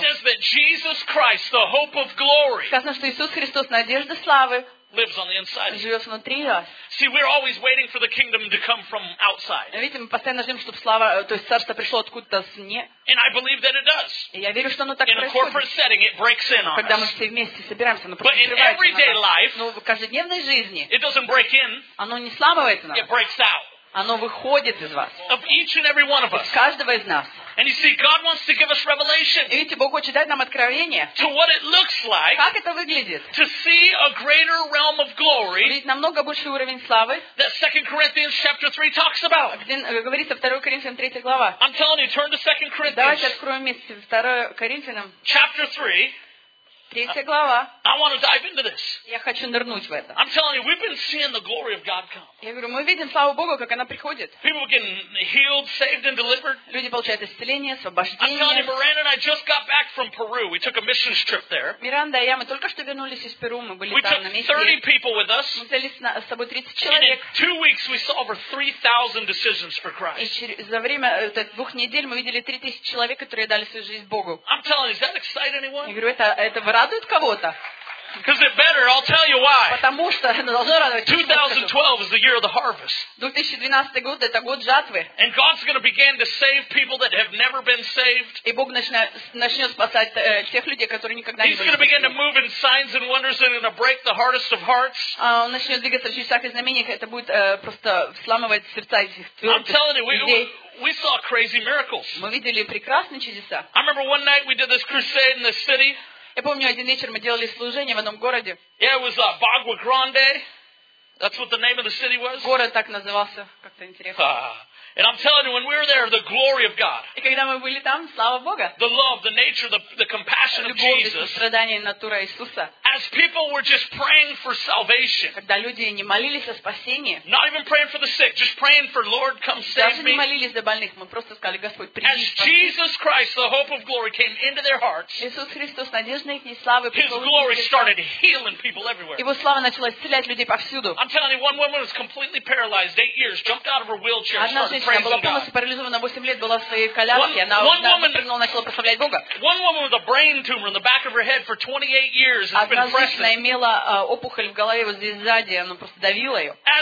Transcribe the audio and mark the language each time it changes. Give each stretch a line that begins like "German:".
English: It says that Jesus Christ, the hope of glory,
Russian: сказано, что Иисус Христос, надежда славы,
English: lives on the inside.
Russian: Живет внутри вас.
English: See, we're always waiting for the kingdom to come from outside.
Russian: Видите, мы постоянно ждем, чтобы слава, то есть царство пришло откуда-то извне.
English: And I believe that it does.
Russian: И я верю, что оно так происходит.
English: In a corporate setting, it breaks in on us.
Russian: Когда мы все вместе собираемся, оно просто открывается.
English: But in everyday life,
Russian: но в каждодневной жизни,
English: it doesn't break in.
Russian: Оно не сламывается нам.
English: It breaks out.
Russian: Оно выходит из вас.
English: Of each and every one of us.
Russian: Из каждого из нас.
English: And you see, God wants to give us revelation.
Russian: И видите, Бог хочет дать нам откровение.
English: To what it looks like.
Russian: Как это выглядит.
English: To see a greater realm of glory.
Russian: Увидеть намного больший уровень славы.
English: That 2 Corinthians chapter 3 talks about.
Russian: Где говорится 2 Коринфянам 3 глава.
English: I'm telling you, turn to 2 Corinthians.
Russian: Давайте откроем вместе 2 Коринфянам.
English: Chapter 3.
Russian: Третья глава.
English: I want to dive into this.
Russian: Я хочу нырнуть в это.
English: I'm telling you, we've been seeing the glory of God come.
Russian: Я говорю, мы видим славу Богу, как она приходит.
English: People getting healed, saved, and delivered.
Russian: Люди получают исцеление, освобождение.
English: I'm telling you, Miranda and I just got back from Peru. We took a mission trip there.
Russian: Миранда и я, мы только что вернулись из Перу, мы были
English: we
Russian: там на месте.
English: We took 30 people with us.
Russian: Мы взяли с собой 30 человек.
English: In 2 weeks, we saw over 3,000 decisions for Christ.
Russian: И за время двух недель мы видели 3,000 человек, которые дали свою жизнь Богу.
English: I'm telling you, does that excite anyone?
Russian: Я говорю, это радует кого-то.
English: Because it better, I'll tell you why. 2012 is the year of the harvest. And God's going to begin to save people that have never been saved. He's going to begin to move in signs and wonders and going to break the hardest of hearts. I'm telling you, we saw crazy miracles. I remember one night we did this crusade in the city.
Russian: Я помню, один вечер мы делали служение в одном городе.
English: Yeah, it was Bagua Grande. That's what the name of the city was.
Russian: Город так назывался, как-то интересно.
English: And I'm telling you, when we were there, the glory of God.
Russian: И когда мы были там, слава Богу.
English: The love, the nature, the compassion
Russian: любовь,
English: of Jesus.
Russian: Любовь, страдание, натура Иисуса.
English: As people were just praying for salvation.
Russian: Когда люди не молились о спасении.
English: Not even praying for the sick, just praying for Lord, come save
Russian: даже
English: me.
Russian: Даже не молились за больных, мы просто сказали, Господь, приди.
English: As
Russian: спаси.
English: Jesus Christ, the hope of glory, came into their hearts.
Russian: Иисус Христос, надежда их и славы.
English: His glory started healing people everywhere.
Russian: Его слава начала исцелять людей повсюду.
English: I'm telling you, one woman was completely paralyzed, 8 years, jumped out of her wheelchair, started praying.
Russian: Она была полностью парализована 8 лет, была в своей коляске, она начала прославлять Бога. Одна женщина имела опухоль в голове вот здесь сзади, она просто давила ее.